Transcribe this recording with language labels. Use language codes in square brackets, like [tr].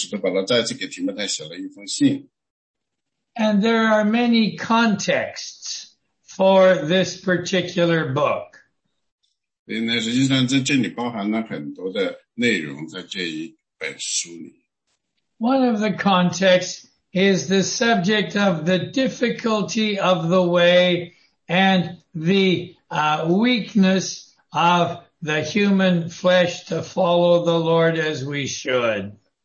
[zh] 非常再次非常高兴看到大家，我们来学习上个星期学习提摩太后书，而且那个使徒保罗再次给提摩太写了一封信。 [en] And there are many contexts for this particular book. [zh] 实际上在这里包含了很多的内容在这一本书里。 [en] One of the contexts is the subject of the difficulty of the way and the weakness of the human flesh to follow the Lord as we should.